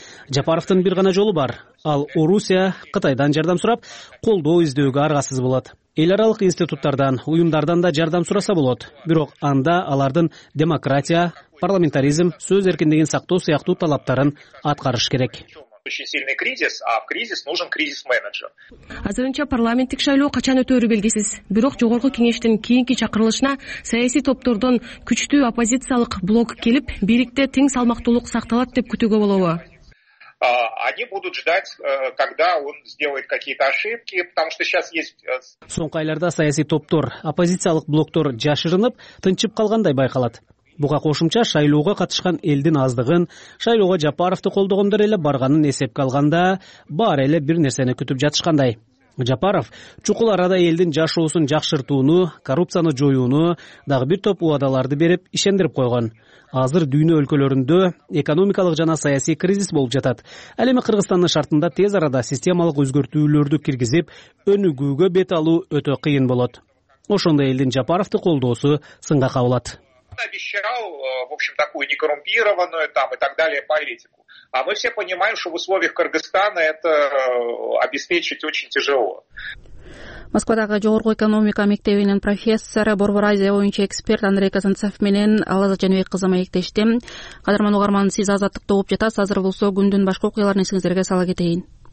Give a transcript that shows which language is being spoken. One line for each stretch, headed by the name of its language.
Kyrgyz: Жапаровдун бир гана жолу бар. Ал Орусия, Кытайдан жардам сурап, колдоо издөөгө аргасыз болот. Эл аралык институттардан, уюмдардан да жардам сураса болот. Бирок анда алардын демократия, парламентаризм, сөз эркиндигин сактоо сыяктуу талаптарын аткарыш керек.
Russian: Очень сильный кризис, а в кризис нужен кризис-менеджер.
Kyrgyz: Азырынча парламенттик шайлоо качан өтөөрү белгисиз. Бирок жогорку кеңештин кийинки чакырылышына саясий топтордон күчтүү оппозициялык блок келип, бийликте тең салмактуулук сакталат деп күтүүгө болобу?
Russian: Они будут ждать, когда он сделает какие-то ошибки, потому что сейчас есть...
Kyrgyz: Соңку айларда саясий топтор, оппозициялык блоктор жашырынып, тынчып калгандай байкалат. Буга кошумча шайлоого катышкан элдин аздыгын, шайлоого Жапаровду колдогондор эле барганын эсепке алганда, баары эле бир нерсени күтүп жатышкандай. Жапаров чукул арада элдин жашоосун жакшыртууну, коррупцияны жоюуну дагы бир топ убадаларды берип ишендирип койгон. Азыр дүйнө өлкөлөрүндө экономикалык жана саясий кризис болуп жатат. Ал эми Кыргызстандын шартында тез арада системалык өзгөртүүлөрдү киргизип, өнүгүүгө бет алуу өтө кыйын болот. Ошондой элдин Жапаровду колдоосу сынга кабылат.
Russian: Обещал, в общем, такую некоррумпированную там и так далее политику. А мы все понимаем, что в условиях Кыргызстана это обеспечить очень тяжело.
Kyrgyz: Москвадагы жогорку экономика мектебинин профессору, Борбор Азия боюнча эксперт Андрей Казанцев менен Алаза Жанбек кызы маектештим. Кадырман угарман, сиз азаттык угуп жатасыз. Азыр болсо күндүн башка окуяларын эсиңиздерге сала кетейин.